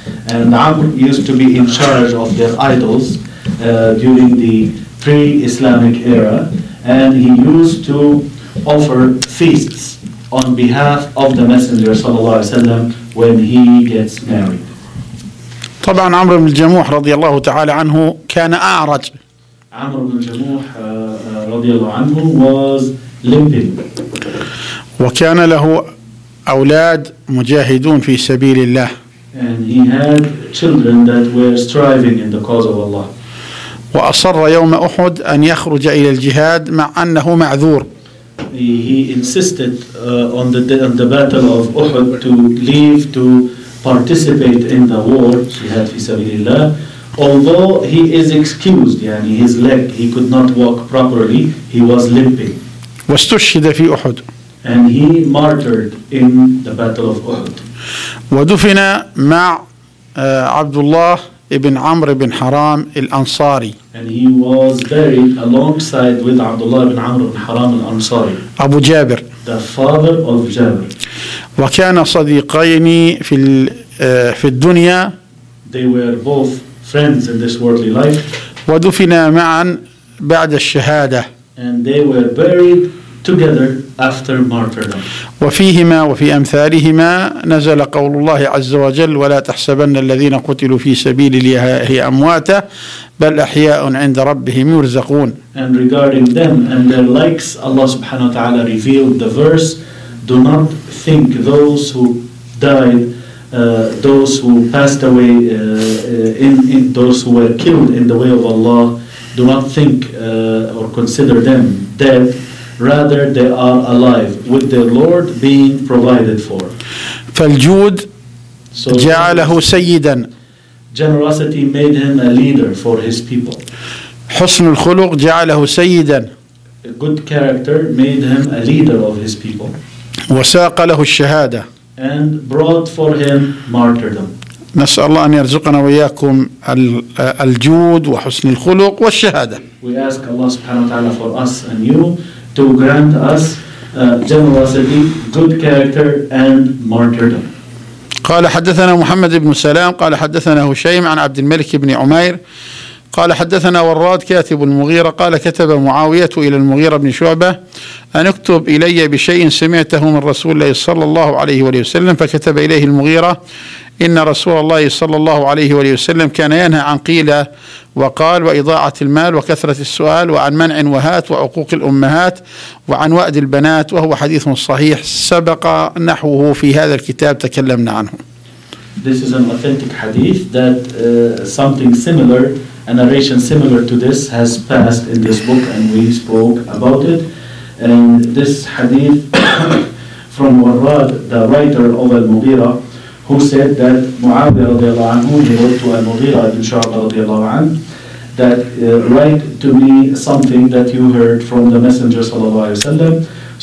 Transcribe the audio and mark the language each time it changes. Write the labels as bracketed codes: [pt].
[en] And Amr used to be in charge of their idols during the pre-Islamic era, and he used to offer feasts on behalf of the Messenger when he gets married. [ar] طبعا عمرو بن الجموح رضي الله تعالى عنه كان أعرج. عمرو بن الجموح رضي الله عنه [en] was limping. [ar] وكان له أولاد مجاهدون في سبيل الله. [en] And he had children that were striving in the cause of Allah. [ar] وأصر يوم أحد أن يخرج إلى الجهاد مع أنه معذور. [en] He insisted on the battle of Uhud to leave to participate in the war [ar] jihad fi sabilillah, [en] although he is excused, yani his leg, he could not walk properly, he was limping. [ar] واستشهد في أحد. [en] And he martyred in the battle of Uhud. [ar] ودفن مع عبد الله ابن عمرو بن حرام الأنصاري. [en] And he was buried alongside with Abdullah ibn Amr ibn Haram al-Ansari. [ar] أبو جابر. [en] The father of Jabir. [ar] وكان صديقين في الدنيا. [en] They were both friends in this worldly life. [ar] ودفنا معا بعد الشهادة. [en] And they were buried together after martyrdom. [ar] وفيهما وفي أمثالهما نزل قول الله عز وجل ولا تحسبن الذين قتلوا في سبيل الله هي أمواتا بل أحياء عند ربهم يرزقون. [en] And regarding them and their likes, Allah [ar] سبحانه وتعالى [en] revealed the verse, do not think those who died, those who passed away, in those who were killed in the way of Allah, do not think or consider them dead. Rather, they are alive with their Lord being provided for. [ar] فالجود [en] so [ar] جعله سيدا. [en] Generosity made him a leader for his people. [ar] حسن الخلق جعله سيدا. [en] A good character made him a leader of his people. [ar] وساق له الشهادة. [en] And brought for him martyrdom. [ar] نسأل الله أن يرزقنا وإياكم الجود وحسن الخلق والشهادة. [en] We ask Allah [ar] سبحانه وتعالى [en] for us and you to grant us generosity, good character and martyrdom. [ar] قال حدثنا محمد بن سلام قال حدثنا هشيم عن عبد الملك بن عمير قال حدثنا وراد كاتب المغيرة قال كتب معاوية إلى المغيرة بن شعبة أن اكتب إلي بشيء سمعته من رسول الله صلى الله عليه وسلم فكتب إليه المغيرة إن رسول الله صلى الله عليه وسلم كان ينهى عن قيل وقال وإضاعة المال وكثرة السؤال وعن منع وهات وعقوق الأمهات وعن وأد البنات وهو حديث صحيح سبق نحوه في هذا الكتاب تكلمنا عنه. [en] This is an authentic hadith that something similar, a narration similar to this has passed in this book and we spoke about it. And this hadith from Warrad, the writer of Al-Mughira, who said that Mu'awiyah radiallahu anhu, he wrote to Al-Mughira ibn Shu'bah radiallahu anhu, that write to me something that you heard from the Messenger sallallahu alayhi wa sallam.